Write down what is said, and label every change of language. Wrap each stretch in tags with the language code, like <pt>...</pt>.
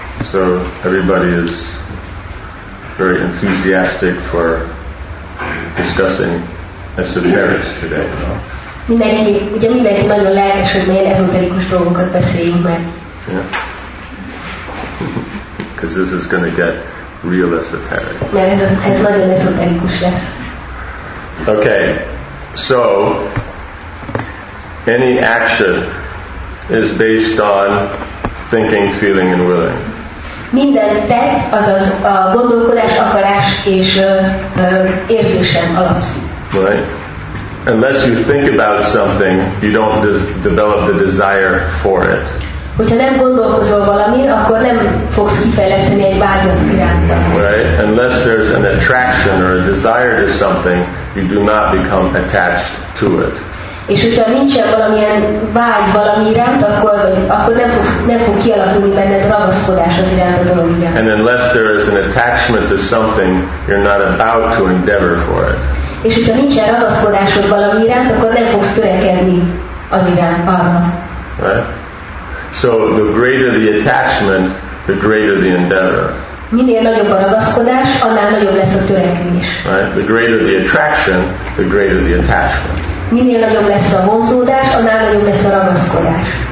<en>So everybody is very enthusiastic for discussing esoterics today.</en> <hu>Mindenki, ugye mindenki nagyon lelkes, hogy milyen ezoterikus dolgokat beszéljünk meg.</hu> <en>Yeah. Because this is going to get real esoteric.</en> <hu>Mert ez nagyon esoterikus lesz.</hu> <en>Okay. So any action is based on thinking, feeling, and willing.</en> <hu>Minden tett, azaz a gondolkodás, akarás és érzésen alapszik.</hu> <en>Right. Unless you think about something, you don't develop the desire for it.</en> <hu>Hogyha nem gondolkozol valamin, akkor nem fogsz kifejleszteni egy vágyat iránta.</hu> <en>Right. Unless there's an attraction or a desire to something, you do not become attached to it.</en> <hu>És hogyha nincsen valamilyen vágy valami iránt, akkor nem fog kialakulni benned ragaszkodás az iránt a dolog iránt.</hu> <en>And unless there is an attachment to something, you're not about to endeavor for it.</en> <hu>És hogyha nincsen ragaszkodásod valami iránt, akkor nem fogsz törekedni az iránt arra.</hu> <en>Right? So the greater the attachment, the greater the endeavor.</en> <hu>Minél nagyobb a ragaszkodás, annál nagyobb lesz a törekvés.</hu> <en>Right? The greater the attraction, the greater the attachment.</en> <hu>Minél nagyobb lesz a vonzódás, annál nagyobb lesz a ragaszkodás.</hu>